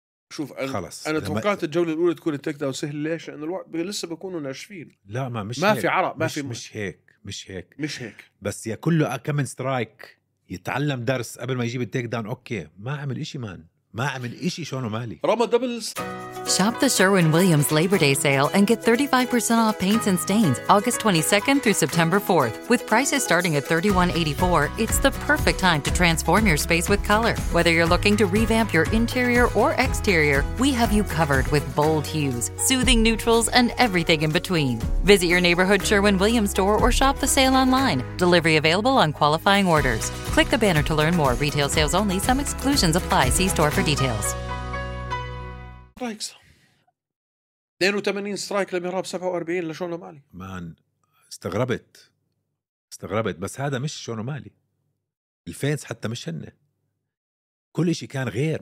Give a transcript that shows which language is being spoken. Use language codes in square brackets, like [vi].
[ar] شوف انا خلص. انا توقعت الجوله الاولى تكون التيك داون سهل. ليش؟ لانه الوقت لسه بكونوا ناشفين. لا ما مش ما هيك. في عرق ما مش في مش هيك مش هيك مش هيك بس يا كله كم سترايك يتعلم درس قبل ما يجيب التيك داون. اوكي ما عمل إشي مان، ما عمل إشي شونه مالي. رمى دبلز. [en] Shop the Sherwin-Williams Labor Day Sale and get 35% off paints and stains August 22nd through September 4th. With prices starting at $31.84, it's the perfect time to transform your space with color. Whether you're looking to revamp your interior or exterior, we have you covered with bold hues, soothing neutrals, and everything in between. Visit your neighborhood Sherwin-Williams store or shop the sale online. Delivery available on qualifying orders. Click the banner to learn more. Retail sales only. Some exclusions apply. See store for details. [ar] سترايكس 82 سترايك لميراب، 47 لشونه مالي. مان استغربت استغربت، بس هذا مش شونه مالي، الفينس حتى مش هنه، كل اشي كان غير.